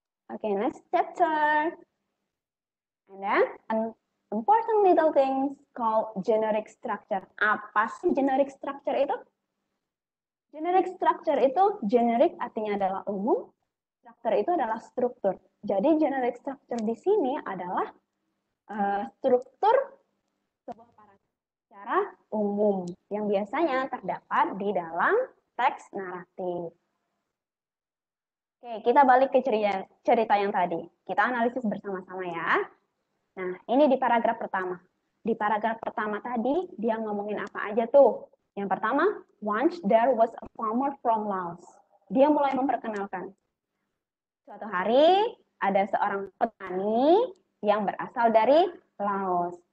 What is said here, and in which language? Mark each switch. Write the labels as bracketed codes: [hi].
[en] Oke, okay, next chapter. And then important little things called generic structure. [id] Apa sih generic structure itu? Generic structure itu generic artinya adalah umum. Structure itu adalah struktur. Jadi generic structure di sini adalah struktur sebuah paragraf secara umum yang biasanya terdapat di dalam teks naratif. Oke, kita balik ke cerita yang tadi. Kita analisis bersama-sama ya. Nah, ini di paragraf pertama. Di paragraf pertama tadi, dia ngomongin apa aja tuh? Yang pertama, [en] once there was a farmer from Laos. [id] Dia mulai memperkenalkan. Suatu hari, ada seorang petani yang berasal dari Laos.